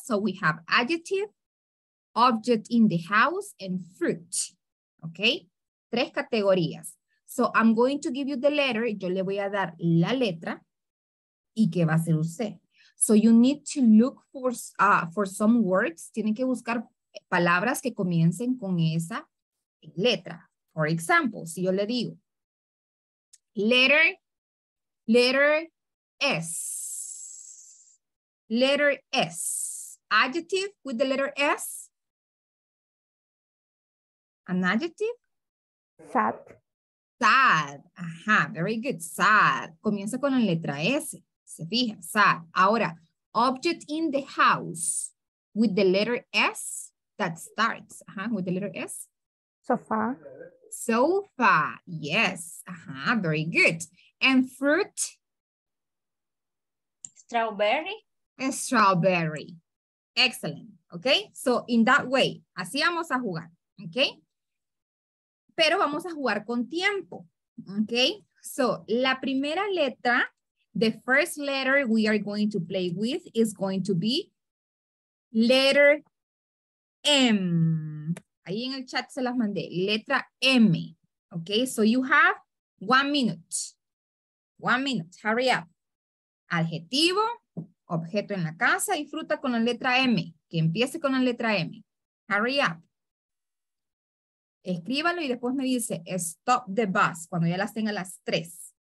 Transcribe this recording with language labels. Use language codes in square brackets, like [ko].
[en] So we have adjective, object in the house, and fruit. Okay, [es] tres categorías. [en] So I'm going to give you the letter. [es] Yo le voy a dar la letra. ¿Y qué va a hacer usted? [en] So you need to look for some words. [es] Tienen que buscar palabras que comiencen con esa letra. [en] For example, [es] si yo le digo [en] letter S. Letter S, adjective with the letter S. An adjective? Sad. Sad, ajá, very good, sad. [es] Comienza con la letra S, se fija, sad. [en] Ahora, object in the house with the letter S that starts, ajá, with the letter S. Sofa. Sofa, yes, ajá, very good. And fruit? Strawberry. A strawberry. Excellent. Okay. So in that way, [es] así vamos a jugar. [en] Okay. [es] Pero vamos a jugar con tiempo. [en] Okay. So, [es] la primera letra, [en] the first letter we are going to play with is going to be letter M. [es] Ahí en el chat se las mandé, letra M. Okay, [en] so you have 1 minute. 1 minute, hurry up. [es] Adjetivo, objeto en la casa y fruta con la letra M. Que empiece con la letra M. [en] Hurry up. [es] Escríbalo y después me dice [en] stop the bus [es] cuando ya las tenga las tres.